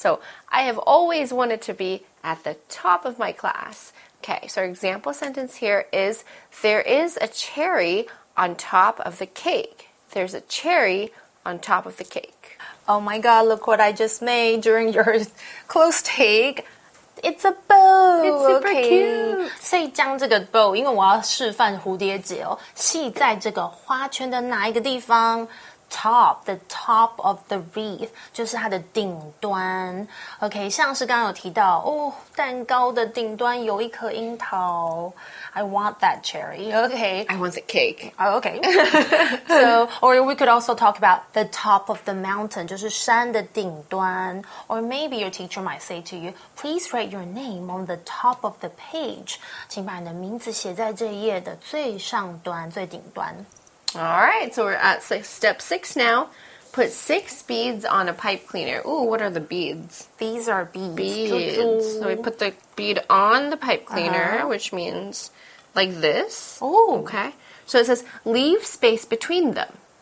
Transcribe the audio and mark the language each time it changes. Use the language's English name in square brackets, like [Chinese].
[English] So I have always wanted to be at the top of my class. Okay, so our example sentence here is, there is a cherry on top of the cake. There's a cherry on top of the cake. Oh my god, look what I just made during your close take. It's a bow! It's super、 okay. cute! [Chinese] 所以将这个 bow, 因为我要示范蝴蝶结哦，系在这个花圈的哪一个地方？ [English] top, the top of the wreath, 就是它的顶端。 [Chinese] OK, 像是刚刚有提到，哦，蛋糕的顶端有一颗樱桃。 [English] I want that cherry. OK. I want the cake. OK. So, or we could also talk about the top of the mountain, 就是山的顶端。 Or maybe your teacher might say to you, please write your name on the top of the page. [Chinese] 请把你的名字写在这页的最上端、最顶端。 [English] All right, so we're at step six now. Put 6 beads on a pipe cleaner. Ooh, what are the beads? These are beads. Beads. So we put the bead on the pipe cleaner,、uh-huh. which means like this. Ooh. Okay. So it says, leave space between them.